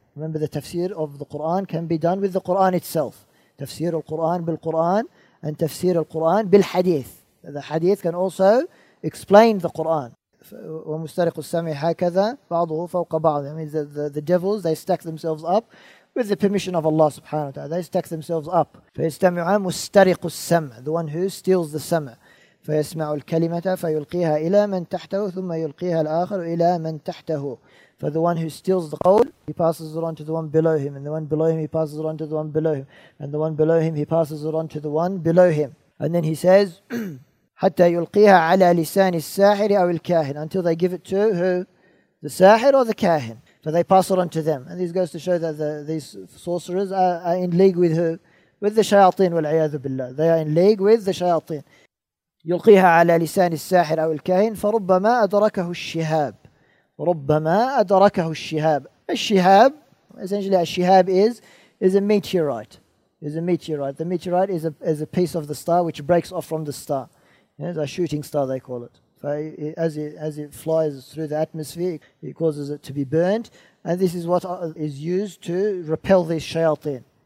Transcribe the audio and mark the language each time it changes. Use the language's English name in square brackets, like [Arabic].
[English] Remember, the tafsir of the Qur'an can be done with the Qur'an itself. Tafsir al-Qur'an bil-Qur'an and tafsir al-Qur'an bil-hadith. The hadith can also explain the Quran. The devils, they stack themselves up with the permission of Allah subhanahu wa ta'ala. They stack themselves up. The one who steals the sama. [Arabic] فيسمع الكلمة فيلقيها إلى من تحته ثم يلقيها الآخر إلى من تحته. [English] For the one who steals the qawl, he passes it on to the one below him, and the one below him, he passes it on to the one below him, and the one below him, he passes it on to the one below him. And then he says, [Arabic] حتى يلقيها على لسان الساحر أو الكاهن, [English] until they give it to who? The ساحر or the كاهن. So they pass it on to them. And this goes to show that these sorcerers are in league with who? With the shayateen, [Arabic] والعياذ بالله. [English] They are in league with the shayateen. [Arabic] يلقيها على لسان الساحر أو الكاهن فربما أدركه الشهاب ربما أدركه الشهاب. [English] الشهاب, essentially الشهاب is a meteorite. Is a meteorite. The meteorite is a piece of the star which breaks off from the star. It's a shooting star, they call it. As it flies through the atmosphere, it causes it to be burnt. And this is what is used to repel these shayateen.